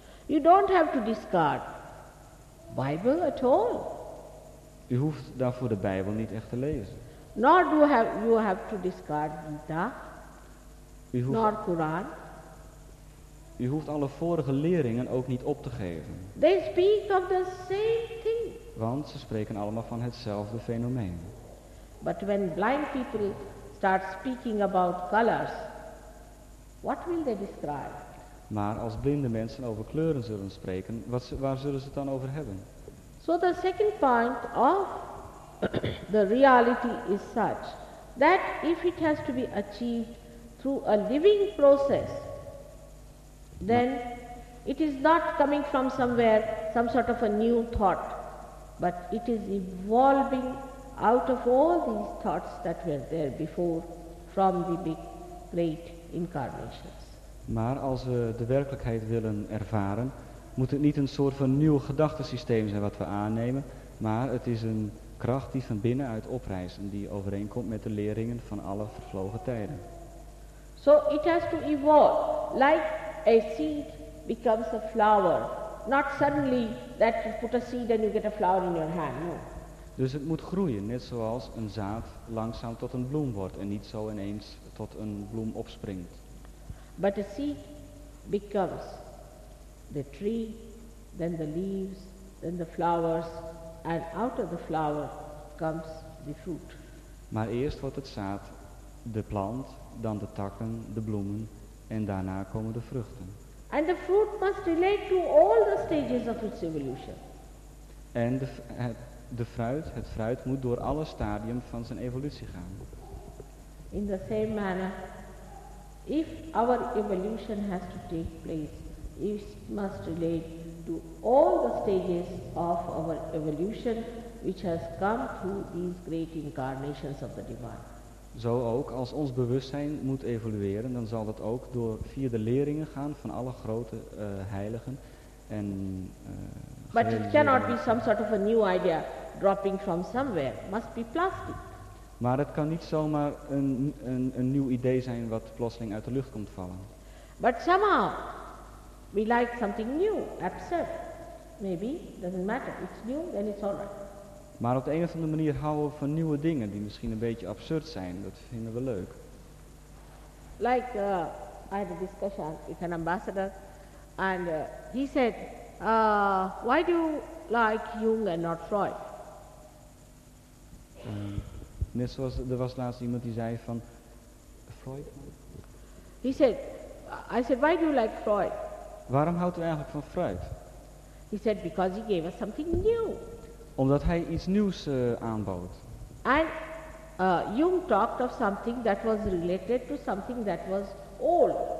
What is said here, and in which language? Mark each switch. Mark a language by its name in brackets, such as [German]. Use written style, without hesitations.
[English] You don't have to discard Bible at all. [Dutch] U hoeft daarvoor de Bijbel niet echt te lezen. [English] Nor do you have to discard Gita. Nor Quran. [Dutch] U hoeft alle vorige leringen ook niet op te geven. [English] They speak of the same thing. [Dutch] Want ze spreken allemaal van hetzelfde fenomeen. [English] But when blind people start speaking about colors, what will they describe? [Dutch] Maar als blinde mensen over kleuren zullen spreken, waar zullen ze het dan over hebben? [English] So the second point of the reality is such that if it has to be achieved through a living process, then it is not coming from somewhere, some sort of a new thought, but it is evolving out of all these thoughts that were there before from the big, great incarnations. [Dutch] Maar als we de werkelijkheid willen ervaren, moet het niet een soort van nieuw gedachtensysteem zijn wat we aannemen, maar het is een kracht die van binnenuit oprijst en die overeenkomt met de leringen van alle vervlogen tijden. [English] So it has to evolve, like a seed becomes a flower. Not suddenly that you put a seed and you get a flower in your hand, no. [Dutch] Dus het moet groeien, net zoals een zaad langzaam tot een bloem wordt en niet zo ineens tot een bloem opspringt. [English] But a seed becomes the tree, then the leaves, then the flowers, and out of the flower comes the fruit. [Dutch] Maar eerst wordt het zaad de plant, dan de takken, de bloemen, en daarna komen de vruchten. [English] And the fruit must relate to all the stages of its evolution. [Dutch] En het fruit moet door alle stadium van zijn evolutie gaan. [English] In the same manner, if our evolution has to take place, it must relate to all the stages of our evolution which has come through these great incarnations of the divine. [Dutch] Zo ook, als ons bewustzijn moet evolueren, dan zal dat ook door via de leringen gaan van alle grote heiligen en [English] But it cannot be some sort of a new idea dropping from somewhere. It must be plastic. [Dutch] Maar het kan niet zomaar een nieuw idee zijn wat plotseling uit de lucht komt vallen. [English] But somehow we like something new, absurd. Maybe, doesn't matter. It's new, then it's all right. [Dutch] Maar op de een of andere manier houden we van nieuwe dingen die misschien een beetje absurd zijn. Dat vinden we leuk. [English] Like, I had a discussion with an ambassador. And he said, why do you like Jung and not Freud? [Dutch] Net zoals er was laatst iemand die zei van Freud. [English] He said, I said, why do you like Freud? [Dutch] Waarom houdt u eigenlijk van Freud? [English] He said, because he gave us something new. [Dutch] Omdat hij iets nieuws aanbood. [English] And Jung talked of something that was related to something that was old.